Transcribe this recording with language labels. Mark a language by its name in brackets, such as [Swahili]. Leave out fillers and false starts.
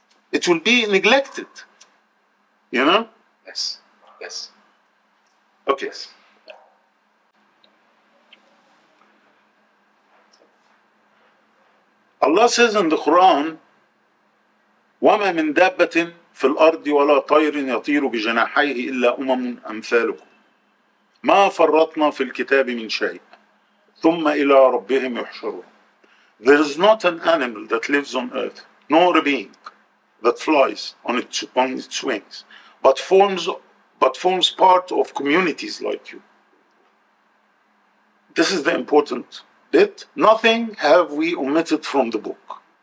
[English] It will be neglected, you know? Yes, yes. Okay. Yes. Allah says in the Quran, [Arabic] وَمَا مِن دَابَّةٍ في الأرض ولا طير يطير بجناحيه إلا أمم أمثالكم ما فرطنا في الكتاب من شيء ثم إلى ربهم يحشرون. [English] There is not an animal that lives on earth, nor a being that flies on its wings, but forms part of communities like you. This is the important bit. Nothing have we omitted from the book.